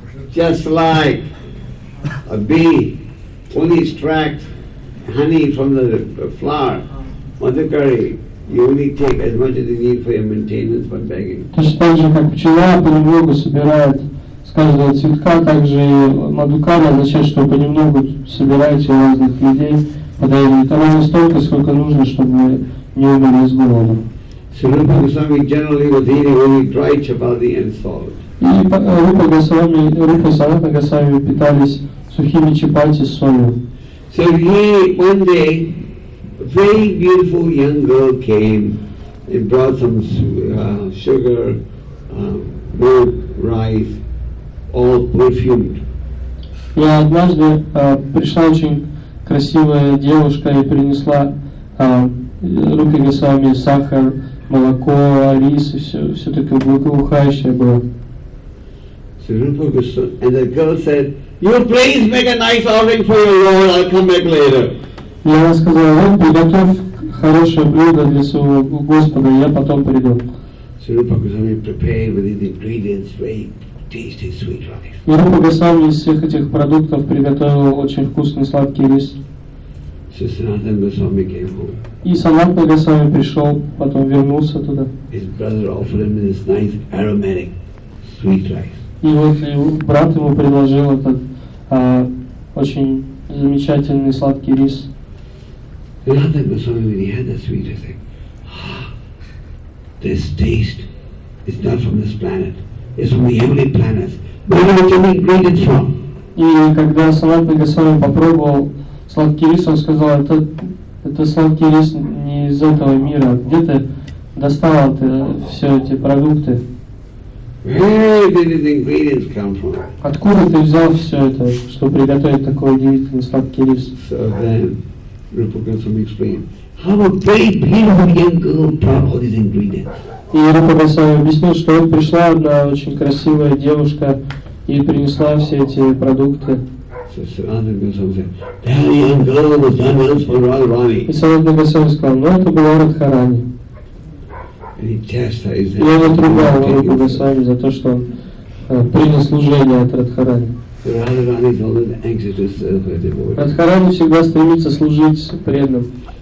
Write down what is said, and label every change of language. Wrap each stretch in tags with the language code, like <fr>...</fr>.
<en>Just like a bee only extracts honey from the flower. Madhukari, you only take as much as you need for your maintenance for begging.</en> <ru>Точно так же, как пчела понемногу собирает с каждого цветка, так же и мадхукари означает, что понемногу собираете разных людей, подаете только столько, сколько нужно, чтобы не умерли с голода.</ru> <en>Rupa Goswami generally was eating only dry chapati and salt.</en> <ru>И Рупа Госвами, Рупа Санатана Госвами питались сухими чапати с солью.</ru> <en>So he, one day, a very beautiful young girl came and brought some sugar, milk, rice, all perfumed.</en> <ru>И однажды пришла очень красивая девушка и принесла Рупе Госвами сахар, молоко, рис, и все такое благоухающее было.</ru> <en>And the girl said, "You please make a nice offering for your Lord. I'll come back later."</en> <ru>И она сказала: "Вот, приготовь хорошее блюдо для своего Господа, я потом приду."</ru> <en>So Rupa Goswami prepared with the ingredients very tasty sweet rice.</en> <ru>И Рупа Госвами из всех этих продуктов приготовил очень вкусный сладкий рис.</ru> <en>So Sanatana Goswami came home.</en> <ru>И Санатана Госвами пришел, потом вернулся туда.</ru> <en>His brother offered him this nice aromatic sweet rice.</en> <ru>И вот и брат ему предложил этот очень замечательный сладкий рис.</ru> <en>Radha Goswami, when he had the sweet, he said, "This taste is not from this planet. It's from the heavenly planets. Where are the ingredients from?"</en> <ru>И когда Radha Goswami попробовал сладкий рис, он сказал: "Это сладкий рис не из этого мира. Где ты достал все эти продукты?"</ru> <en>Where did the ingredients come from?</en> <ru>Откуда ты взял все это, чтобы приготовить такой удивительный сладкий рис?</ru> <en>So then, Rupa Goswami explained, "How a very beautiful young girl brought all these ingredients."</en> <ru>И Рупа Госвами объяснил, что вот пришла одна очень красивая девушка и принесла все эти продукты.</ru> <en>So Sanatana Goswami said, "That young girl was none else but Radharani."</en> <ru>И Сарадхана Госвами сказал: "Но это была Радхарани." И он отругал Рупа Госвами за то, что принял служение от Радхарани. Радхарани всегда стремится служить преданным.</ru>